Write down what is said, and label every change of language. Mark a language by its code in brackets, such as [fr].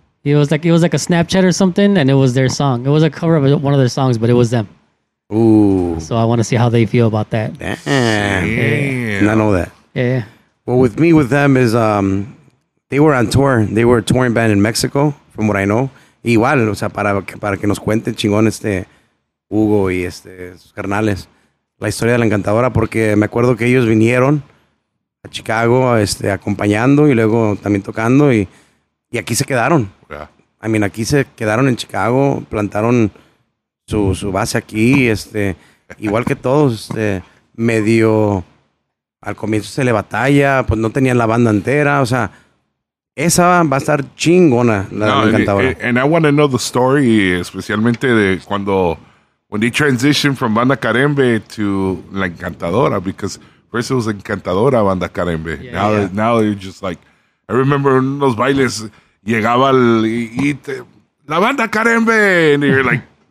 [en] It was like a Snapchat or something, and it was their song. It was a cover of one of their songs, but it was them. Ooh. So I want to see how they feel about that. Did not know that. Yeah. Well, with me, with them is they were on tour. They were a touring band in Mexico, from what I know. [es] Igual, o sea, para que nos cuenten chingón Hugo y sus carnales. La historia de la encantadora, porque me acuerdo que ellos vinieron a Chicago acompañando y luego también tocando y aquí se quedaron. [en] Yeah. I mean, [es] aquí se quedaron en Chicago, plantaron su base aquí, igual que todos, medio al comienzo se le batalla, pues no tenían la banda entera, o sea, esa va a estar chingona, la encantadora. [en] And I want to know the story, [es] especialmente de cuando... [en] When they transitioned from Banda Carembe to La Encantadora, because first it was Encantadora Banda Carembe. Yeah, now they're just like, I remember [es] unos bailes llegaba [en] la Banda Carembe, and you're like,